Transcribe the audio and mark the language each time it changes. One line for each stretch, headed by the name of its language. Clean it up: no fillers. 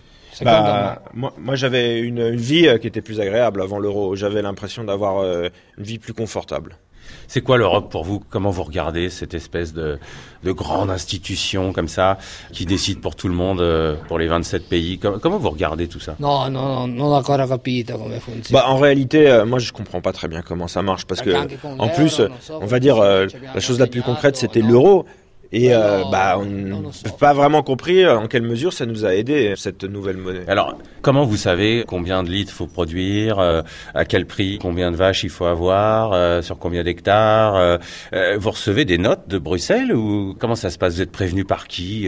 French: Secondo bah, moi j'avais une vie qui était plus agréable avant l'euro. J'avais l'impression d'avoir une vie plus confortable. C'est quoi l'Europe pour vous? Comment vous regardez cette espèce de grande institution comme ça qui décide pour tout le monde, pour les 27 pays? Comment vous regardez tout ça?
Italian: Non, non, non, non, capito come funziona.
French: Bah, en réalité, moi je ne comprends pas très bien comment ça marche parce que, en plus, on va dire, la chose la plus concrète c'était l'euro. Et on n'a pas vraiment compris en quelle mesure ça nous a aidé, cette nouvelle monnaie. Alors, comment vous savez combien de litres il faut produire, à quel prix, combien de vaches il faut avoir, sur combien d'hectares vous recevez des notes de Bruxelles ou comment ça se passe? Vous êtes prévenu par qui?